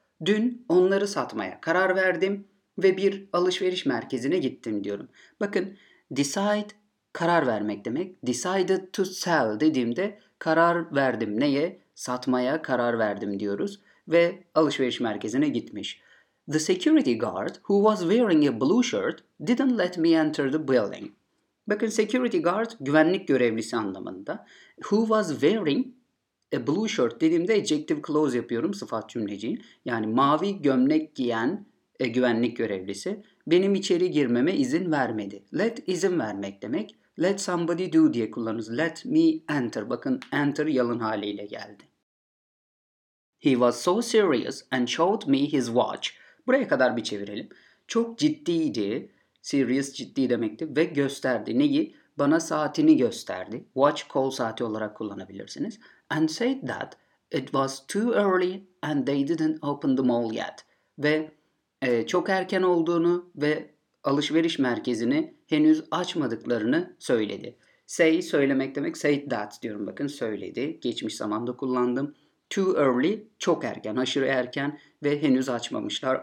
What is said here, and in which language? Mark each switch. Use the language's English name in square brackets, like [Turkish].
[Turkish] Dün onları satmaya karar verdim ve bir alışveriş merkezine gittim diyorum. Bakın decide karar vermek demek. [English] Decided to sell [Turkish] dediğimde karar verdim neye? Satmaya karar verdim diyoruz ve alışveriş merkezine gitmiş. [English] The security guard who was wearing a blue shirt didn't let me enter the building. [Turkish] Bakın security guard güvenlik görevlisi anlamında. [English] Who was wearing a blue shirt [Turkish] dediğimde adjective clause yapıyorum sıfat cümleciyim. Yani mavi gömlek giyen güvenlik görevlisi benim içeri girmeme izin vermedi. Let izin vermek demek. [English] Let somebody do [Turkish] diye kullanırız. [English] Let me enter. [Turkish] Bakın enter yalın haliyle geldi. [English] He was so serious and showed me his watch. [Turkish] Buraya kadar bir çevirelim. Çok ciddiydi. Serious ciddi demekti. Ve gösterdi. Neyi? Bana saatini gösterdi. Watch kol saati olarak kullanabilirsiniz. [English] And said that it was too early and they didn't open the mall yet. [Turkish] Ve çok erken olduğunu ve alışveriş merkezini henüz açmadıklarını söyledi. Say söylemek demek. [English] Said that [Turkish] diyorum bakın söyledi. Geçmiş zamanda kullandım. [English] Too early [Turkish] çok erken, aşırı erken ve henüz açmamışlar.